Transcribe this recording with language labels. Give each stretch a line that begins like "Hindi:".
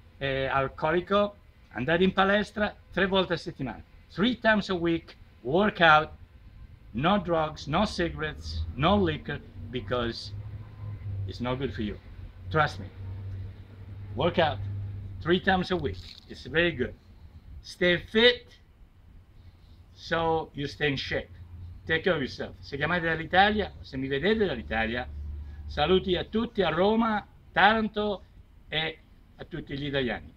Italian: Alcolico, andate in palestra 3 volte a settimana.
English: 3 times a week, workout, no drugs, no cigarettes, no liquor, because it's not good for you. Trust me. Workout 3 times a week, it's very good. Stay fit so you stay in shape. Take care of yourself.
Italian: Se chiamate dall'Italia, se mi vedete dall'Italia, saluti a tutti a Roma, Taranto e a tutti gli italiani.